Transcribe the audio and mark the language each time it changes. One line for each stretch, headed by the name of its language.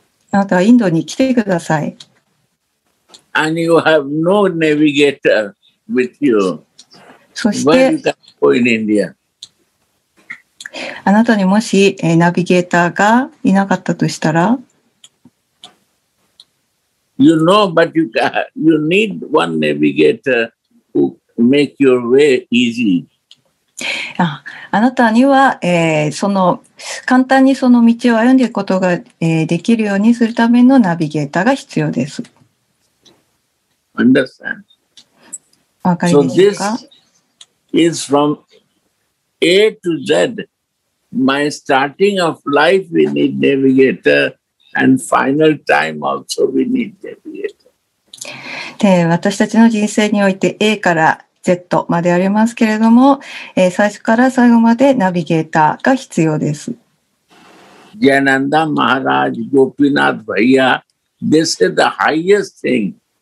Japanese: あなたはインドに来てください。
English: And you have no navigator with you.
Japanese: そして
English: When you come to India.
Japanese: あなたにもし、ナビゲーターがいなかったとしたら、
English: You know, but you, can, you need one navigator who make your way easy.
Japanese: あなたには、その簡単にその道を歩んでいくことが、できるようにするためのナビゲーターが必要です。
English: Understand?
Japanese: わかりますか?
English: So this is from A to Z. My starting of life, we need navigator, and final time also we need navigator.
Japanese: で、私たちの人生において A から Z までありますけれども、最初から最後までナビゲーターが必要です。
English: Jananda Maharaj, Gopinath Bhaiya, this is the highest thing.